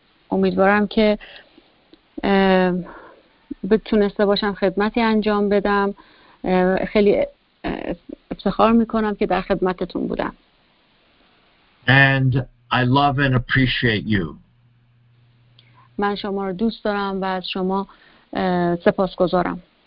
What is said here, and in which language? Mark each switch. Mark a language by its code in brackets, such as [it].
[fa] امیدوارم که بتونسته باشم خدمتی انجام بدم. خیلی افتخار میکنم که در خدمتتون بودم. [en] And I love and appreciate you. [fa] من شما رو دوست دارم و از شما سپاسگزارم.